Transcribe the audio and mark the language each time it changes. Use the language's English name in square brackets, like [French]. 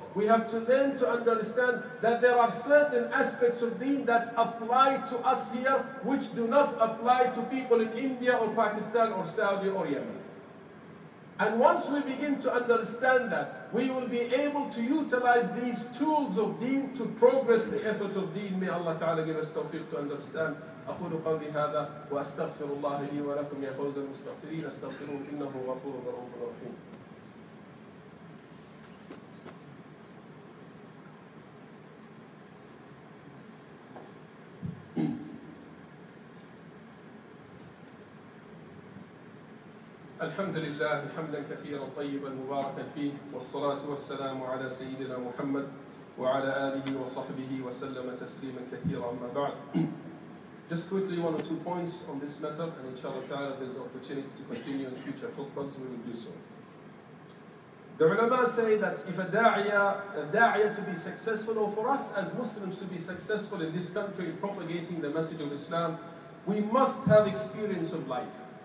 [English] We have to learn to understand that there are certain aspects of deen that apply to us here, which do not apply to people in India or Pakistan or Saudi or Yemen. And once we begin to understand that, we will be able to utilize these tools of deen to progress the effort of deen. May Allah Ta'ala give us tawfiq to understand. [Arabic] أقول قولي هذا وأستغفر الله لي ولكم يا فوز المستغفرين استغفروه إنه غفور رؤوف رحيم. الحمد لله حمدا كثيرا طيبا مباركا فيه والصلاة والسلام على سيدنا محمد وعلى آله وصحبه وسلم تسليما كثيرا أما بعد. [English] Just quickly, one or two points on this matter, and inshallah ta'ala, if there's an opportunity to continue in future khutbahs, we will do so. The ulama say that if a da'iyah to be successful, or for us as Muslims to be successful in this country in propagating the message of Islam, we must have experience of life.